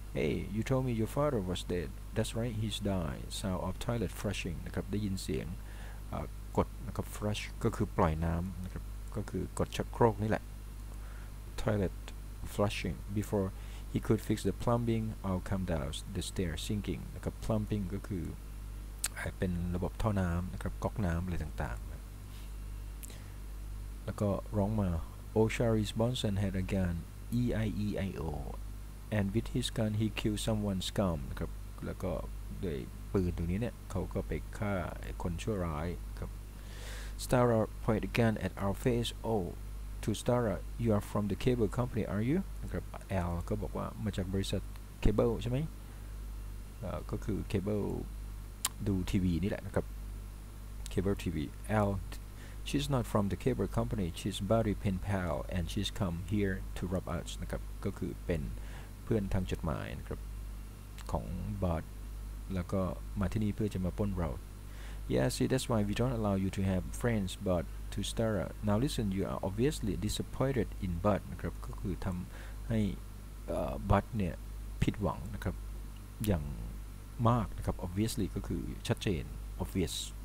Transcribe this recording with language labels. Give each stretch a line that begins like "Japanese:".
English: Hey, you told me your father was dead. That's right, he's died. Sound of toilet flushing
Thai: นะครับได้ยินเสียงกดนะครับ flush ก็คือปล่อยน้ำนะครับก็คือกดชักโครกนี่แหละ
English: toilet flushing before he could fix the plumbing I'll come down the stairs sinking
Thai: นะครับ plumbing ก็คือเป็นระบบท่อน้ำนะครับก๊อกน้ำอะไรต่างๆ แล้วก็ร้องมา
English: O'Shari's Bonson had a gun E I E I O and with his gun he killed someone's scum
Thai: นะครับแล้วก็ด้วยปืนตรงนี้เนี่ยเขาก็ไปฆ่าคนชั่วร้ายครับ
English: Stara point a gun at our face. Oh, to Stara, you are from the cable company, are you?
Thai: นะครับ L ก็บอกว่ามาจากบริษัทเคเบิลใช่ไหมก็คือเคเบิลดูทีวีนี่แหละนะครับเคเบิลทีวี L
English: she's not from the cable company. She's buddy pen pal and she's come here to rob us.
Thai: นะครับก็คือเป็นเพื่อนทางจดหมายนะครับของบอทแล้วก็มาที่นี่เพื่อจะมาปล้นเรา
English: Yeah, see, that's why we don't allow you to have friends, but to Stara. Now listen, you are obviously disappointed in Bud,
Thai: นะครับก็คือทำให้Bud เนี่ยผิดหวังนะครับอย่างมากนะครับ
English: obviously
Thai: ก็คือชัดเจน
English: obvious.